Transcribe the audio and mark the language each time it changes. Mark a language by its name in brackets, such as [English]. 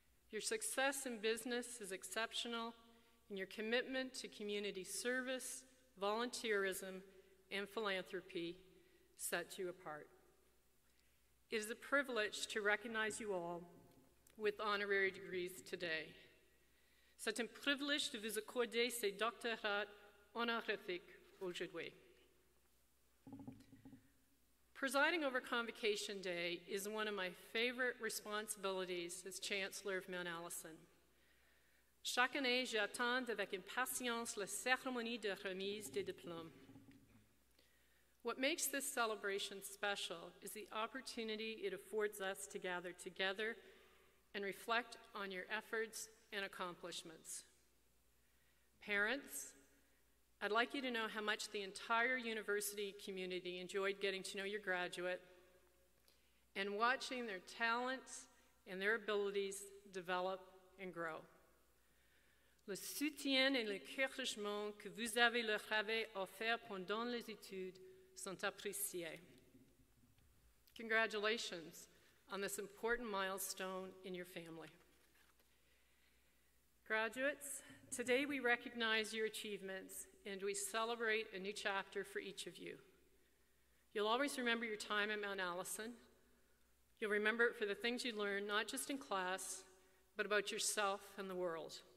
[English] Your success in business is exceptional, and your commitment to community service, volunteerism, and philanthropy sets you apart. It is a privilege to recognize you all with honorary degrees today. [French] C'est un privilège de vous accorder ces doctorats honorifiques aujourd'hui. [English] Presiding over Convocation Day is one of my favorite responsibilities as Chancellor of Mount Allison. [French] Chaque année, j'attends avec impatience la cérémonie de remise des diplômes. [English] What makes this celebration special is the opportunity it affords us to gather together and reflect on your efforts and accomplishments. Parents, I'd like you to know how much the entire university community enjoyed getting to know your graduate and watching their talents and their abilities develop and grow. [French] Le soutien et l'encouragement que vous avez leur avez offert pendant les études sont appréciés. [English] Congratulations on this important milestone in your family. Graduates, today we recognize your achievements and we celebrate a new chapter for each of you. You'll always remember your time at Mount Allison. You'll remember it for the things you learned, not just in class, but about yourself and the world.